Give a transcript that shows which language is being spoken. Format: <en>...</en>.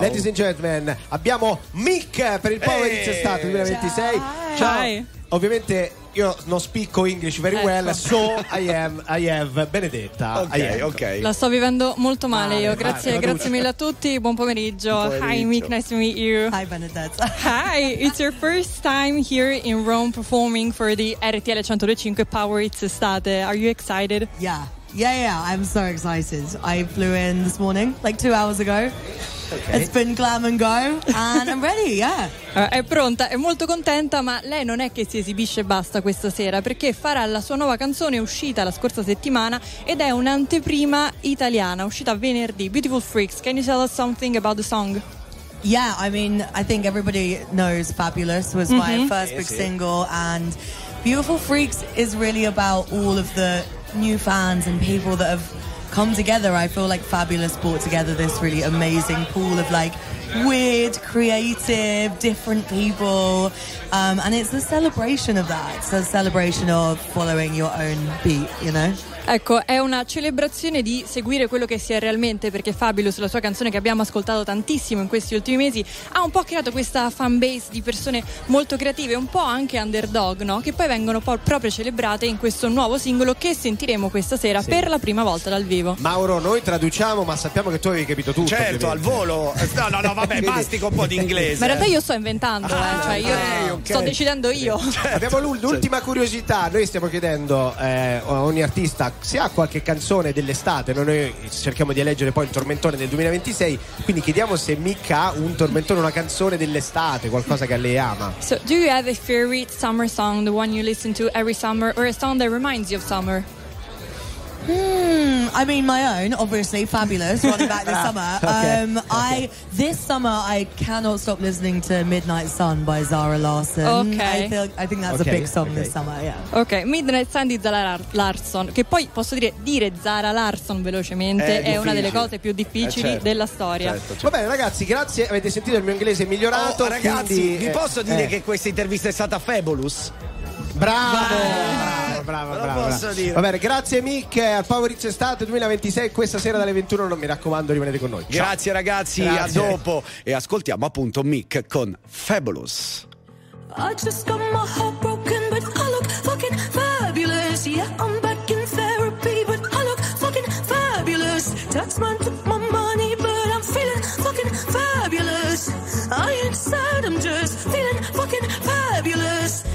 <en>Ladies and gentlemen,</en> <it>abbiamo Mick per il Power Hits Estate 2026. Ciao. Ciao. Ovviamente io non</it> <en>speak English very well, so I have Benedetta. Okay, okay.</en> <it>La sto vivendo molto male, io. Grazie mille a tutti. Buon pomeriggio.</it> <en>Hi Mick, nice to meet you. Hi Benedetta. Hi, it's your first time here in Rome performing for the RTL 102.5 Power Hits Estate. Are you excited? Yeah, I'm so excited. I flew in this morning, like 2 hours ago. Okay. It's been glam and go, and I'm ready, yeah.</en> <it>È pronta, è molto contenta, ma lei non è che si esibisce basta questa sera, perché farà la sua nuova canzone uscita la scorsa settimana, ed è un'anteprima italiana, uscita venerdì.</it> <en>Beautiful Freaks, can you tell us something about the song? Yeah, I mean, I think everybody knows Fabulous was my first big single, and Beautiful Freaks is really about all of the new fans and people that have come together. I feel like Fabulous brought together this really amazing pool of like weird, creative, different people, and it's a celebration of that. It's a celebration of following your own beat, you know.</en> <it>Ecco, è una celebrazione di seguire quello che si è realmente, perché Fabulous, la sua canzone che abbiamo ascoltato tantissimo in questi ultimi mesi, ha un po' creato questa fan base di persone molto creative, un po' anche underdog, no? Che poi vengono proprio celebrate in questo nuovo singolo che sentiremo questa sera per la prima volta dal vivo. Mauro, noi traduciamo, ma sappiamo che tu avevi capito tutto. Certo, Al volo. No, vabbè, basti con un po' di inglese. Ma in realtà io sto inventando, cioè io sto decidendo io. Certo. Abbiamo l'ultima curiosità, noi stiamo chiedendo a ogni artista se ha qualche canzone dell'estate. Noi cerchiamo di eleggere poi il tormentone del 2026, quindi chiediamo se Mick ha un tormentone, una canzone dell'estate, qualcosa che lei ama.</it> <en>So, do you have a favorite summer song, the one you listen to every summer, or a song that reminds you of summer? I mean, my own, obviously, Fabulous, Running Back This Summer. Okay. This summer, I cannot stop listening to Midnight Sun by Zara Larsson. Okay. I think that's a big song this summer, yeah.</en> <it>Okay, Midnight Sun di Zara Larsson, che poi posso dire Zara Larsson velocemente, è una delle cose più difficili della storia. Certo. Va bene, ragazzi, grazie, avete sentito il mio inglese migliorato. Oh, ragazzi, quindi, vi posso dire che questa intervista è stata fabulous? Bravo. Va bene, grazie Mick, al Power Hits Estate 2026 questa sera dalle 21, non mi raccomando, rimanete con noi. Ciao. Grazie ragazzi, grazie. A dopo, e ascoltiamo appunto Mick con Fabulous.</it> <en>I just got my heart broken, but I look fucking fabulous. Yeah, I'm back in therapy, but I look fucking fabulous. Taxman took my money, but I'm feeling fucking fabulous. I ain't sad, I'm just feeling fucking fabulous.</en>